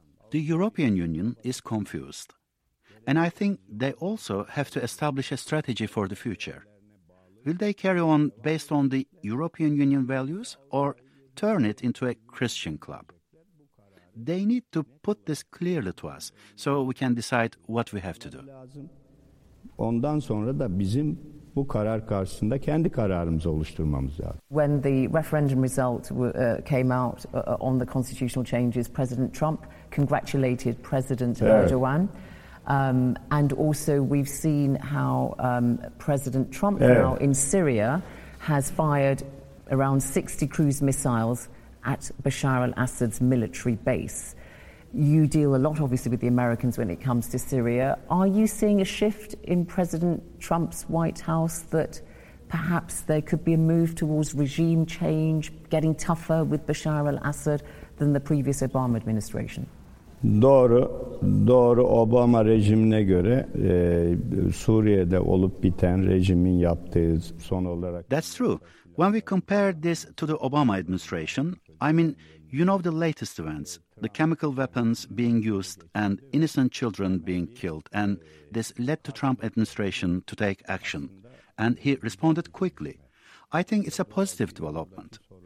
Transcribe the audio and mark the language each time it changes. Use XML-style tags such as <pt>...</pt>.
<en>The European Union is confused. And I think they also have to establish a strategy for the future. Will they carry on based on the European Union values or turn it into a Christian club? They need to put this clearly to us so we can decide what we have to do.</en> <tr>Ondan sonra da bizim bu karar karşısında kendi kararımızı oluşturmamız lazım.</tr> <en>When the referendum result came out on the constitutional changes, President Trump congratulated President Erdogan. And also we've seen how President Trump now in Syria has fired around 60 cruise missiles at Bashar al-Assad's military base. You deal a lot, obviously, with the Americans when it comes to Syria. Are you seeing a shift in President Trump's White House that perhaps there could be a move towards regime change, getting tougher with Bashar al-Assad than the previous Obama administration?</en> <tr>Doğru, doğru. Obama rejimine göre Suriye'de olup biten rejimin yaptığı son olarak...</tr> <en>That's true. When we compare this to the Obama administration, I mean, you know the latest events, the chemical weapons being used and innocent children being killed, and this led to Trump administration to take action. And he responded quickly. I think it's a positive development.</en>